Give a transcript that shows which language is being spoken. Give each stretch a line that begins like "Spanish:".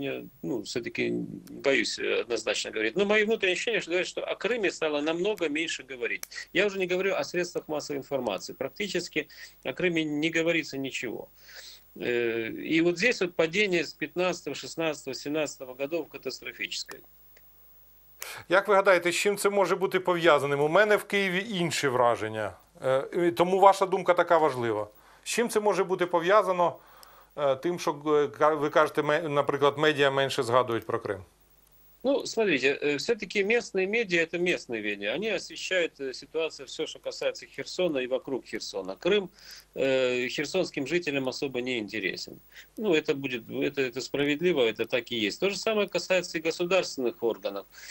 Russian: Мне, ну, все-таки боюсь однозначно говорить. Но мои внутренние ощущения говорят, что о Крыме стало намного меньше говорить. Я уже не говорю о средствах массовой информации. Практически о Крыме не говорится ничего. И вот здесь вот падение с 15-го, 16-го, 17-го годов катастрофическое.
Ukrainian: Як ви гадаєте, з чим це може бути пов'язаним? У мене в Києві інші враження. Тому ваша думка така важлива. З чим це може бути пов'язано тим, що ви кажете, наприклад, медіа менше згадують про Крим?
Russian: Ну, смотрите, все-таки местные медиа – это местные медиа. Они освещают ситуацию, все, что касается Херсона и вокруг Херсона. Крым херсонским жителям особо не интересен. Ну, это справедливо, это так и есть. То же самое касается и государственных органов.